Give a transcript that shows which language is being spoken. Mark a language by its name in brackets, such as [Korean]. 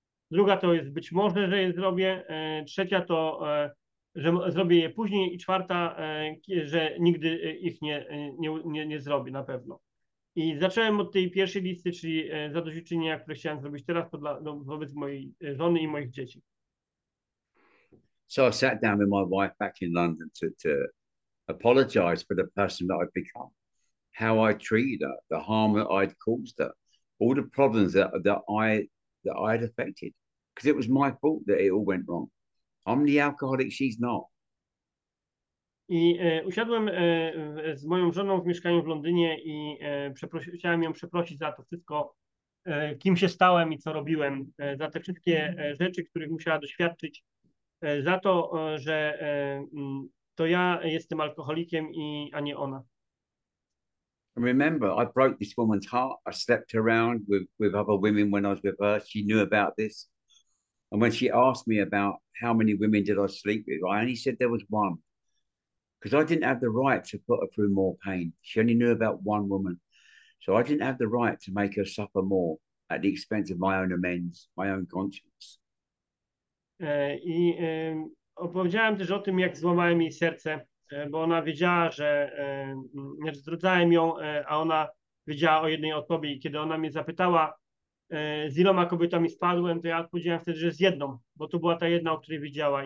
[Polish] Druga to jest być może, że je zrobię. Trzecia to, że zrobię je później. I czwarta, że nigdy ich nie zrobię na pewno. I zacząłem od tej pierwszej listy, czyli zadośćuczynienia, które chciałem zrobić teraz wobec mojej żony i moich dzieci. [English] So I sat down with my wife back in London to apologize for the person that I'd become, how I treated her, the harm that I'd caused her, all the problems that I'd affected, because it was my fault that it all went wrong. I'm the alcoholic, she's not. [Polish] I usiadłem z moją żoną w mieszkaniu w Londynie i chciałem ją przeprosić za to wszystko, kim się stałem i co robiłem, za te wszystkie rzeczy, których musiała doświadczyć, za to, że to ja jestem alkoholikiem, a nie ona. [English] Remember, I broke this woman's heart. I slept around with other women when I was with her. She knew about this. And when she asked me about how many women did I sleep with, I only said there was one. Because I didn't have the right to put her through more pain. She only knew about one woman. So I didn't have the right to make her suffer more at the expense of my own amends, my own conscience. [Polish] I opowiedziałem też o tym, jak złamałem jej serce, bo ona wiedziała, że zdradzałem ją, a ona wiedziała o jednej osobie. I kiedy ona mnie zapytała, z iloma kobietami spadłem, to ja odpowiedziałem wtedy, że z jedną, bo to była ta jedna, o której wiedziała.